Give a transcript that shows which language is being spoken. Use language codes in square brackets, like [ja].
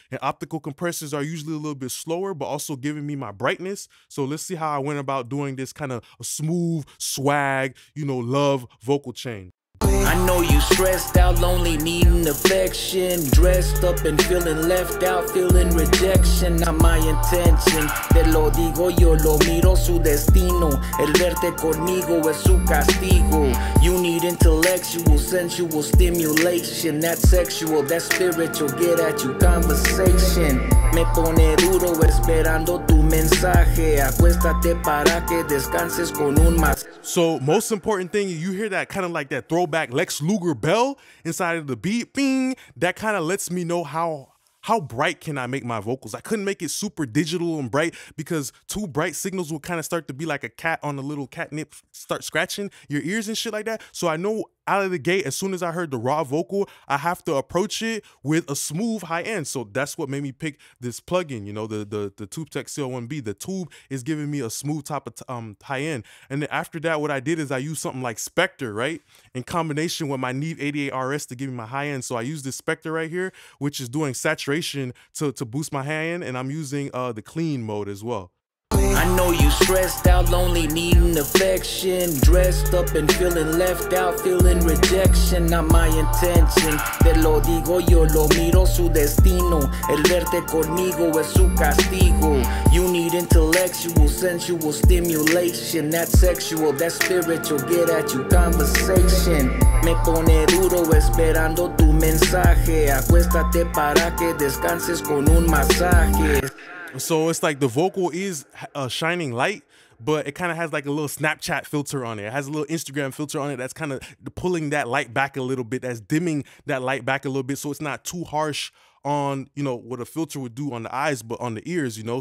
[en] And optical compressors are usually a little bit slower, but also giving me my brightness. So let's see how I went about doing this kind of smooth, swag, you know, love vocal chain. I know you stressed out, lonely, needing affection. Dressed up and feeling left out, feeling rejection. Not my intention. [es] Te lo digo, yo lo miro, su destino. El verte conmigo es su castigo. [en] You need intellectual, sensual stimulation. That sexual, that spiritual, get at you conversation. [es] Me pone duro esperando tu mensaje. Acuéstate para que descanses con un más. [en] So most important thing, you hear that kind of like that throwback Lex Luger bell inside of the beat, bing, that kind of lets me know how how bright can I make my vocals? I couldn't make it super digital and bright because two bright signals would kind of start to be like a cat on a little catnip, start scratching your ears and shit like that. So I know out of the gate, as soon as I heard the raw vocal, I have to approach it with a smooth high end. So that's what made me pick this plugin, you know, the Tube Tech CL1B. The tube is giving me a smooth top of high end. And then after that, what I did is I used something like Spectre, right? In combination with my Neve 88 RS to give me my high end. So I used this Spectre right here, which is doing saturation to boost my high end. And I'm using the clean mode as well. I know you stressed out, lonely, needing affection. Dressed up and feeling left out, feeling rejection. Not my intention. [es] Te lo digo, yo lo miro, su destino. El verte conmigo es su castigo. [en] You need intellectual, sensual stimulation. That sexual, that spiritual, get at you conversation. [es] Me pone duro esperando tu mensaje. Acuéstate para que descanses con un masaje. [en] So it's like the vocal is a shining light, but it kind of has like a little Snapchat filter on it. It has a little Instagram filter on it that's kind of pulling that light back a little bit, that's dimming that light back a little bit so it's not too harsh on, you know, what a filter would do on the eyes, but on the ears, you know.